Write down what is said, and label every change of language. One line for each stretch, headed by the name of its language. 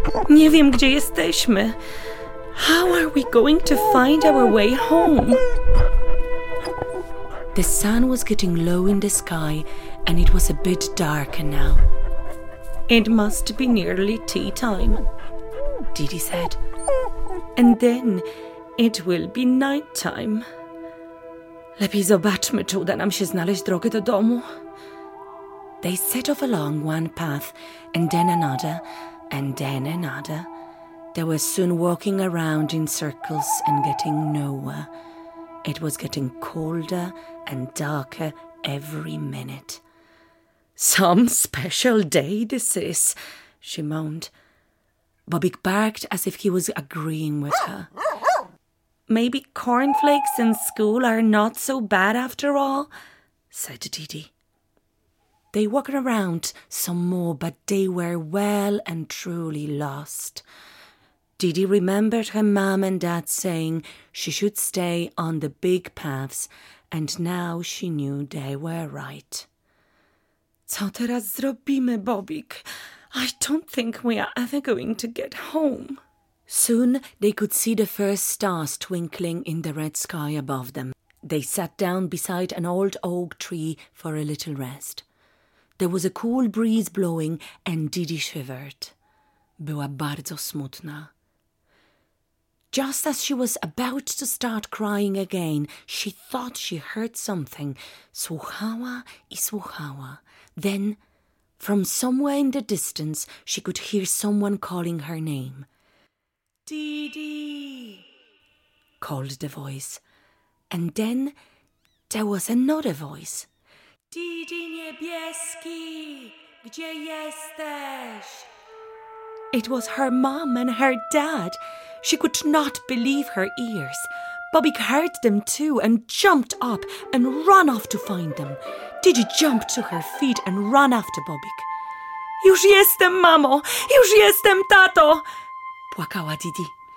Polish: Nie wiem, gdzie jesteśmy.
English: How are we going to find our way home? The sun was getting low in the sky and it was a bit darker now. It must be nearly tea time, Didi said. And then it will be night time.
Polish: Lepiej zobaczmy, czy uda nam się znaleźć drogę do domu.
English: They set off along one path and then another and then another. They were soon walking around in circles and getting nowhere. It was getting colder and darker every minute. Some special day this is, she moaned. Bobbik barked as if he was agreeing with her. Maybe cornflakes in school are not so bad after all, said Didi. They walked around some more, but they were well and truly lost. Didi remembered her mum and dad saying she should stay on the big paths, and now she knew they were right.
Polish: Co teraz zrobimy, Bobbik?
English: I don't think we are ever going to get home. Soon they could see the first stars twinkling in the red sky above them. They sat down beside an old oak tree for a little rest. There was a cool breeze blowing and Didi shivered.
Polish: Była bardzo smutna.
English: Just as she was about to start crying again, she thought she heard something.
Polish: Słuchała i słuchała.
English: Then, from somewhere in the distance, she could hear someone calling her name. Didi, called the voice. And then there was another voice.
Polish: Didi Niebieski, gdzie jesteś?
English: It was her mom and her dad. She could not believe her ears. Bobby heard them too and jumped up and ran off to find them. Didi jumped to her feet and ran after Bobik.
Polish: Już jestem, mamo! Już jestem, tato! Płakała Didi.